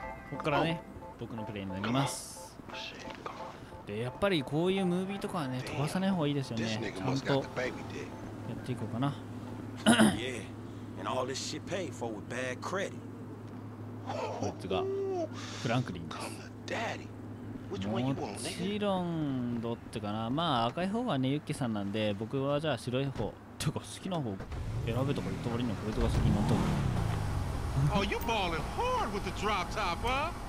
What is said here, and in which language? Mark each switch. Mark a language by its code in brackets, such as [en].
[ja] ここからね、僕のプレイになります。で、やっぱりこういうムービーとかはね、飛ばさない方がいいですよね。ちゃんとやっていこうかな。 [en] Yeah, and all this shit paid for with bad credit. [ja] こいつがフランクリンです。 Daddy. もちろんどっちかな。まあ赤い方はねユッケさんなんで、僕はじゃあ白い方ていうか好きな方選べとか言ってもらえるの、これとか好きなとこ。 [en] Oh, you balling hard with the drop top, huh?